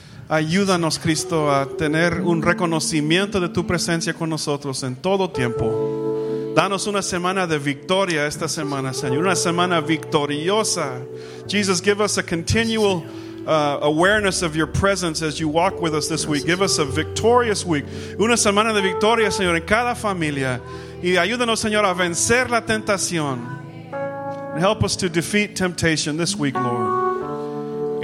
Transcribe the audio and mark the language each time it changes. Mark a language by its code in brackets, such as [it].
[es] Ayúdanos, Cristo, a tener un reconocimiento de tu presencia con nosotros en todo tiempo. Danos una semana de victoria esta semana, Señor. Una semana victoriosa. [en] Jesus, give us a continual awareness of your presence as you walk with us this week. Give us a victorious week. [es] Una semana de victoria, Señor, en cada familia. Y ayúdanos, Señor, a vencer la tentación. [en] And help us to defeat temptation this week, Lord.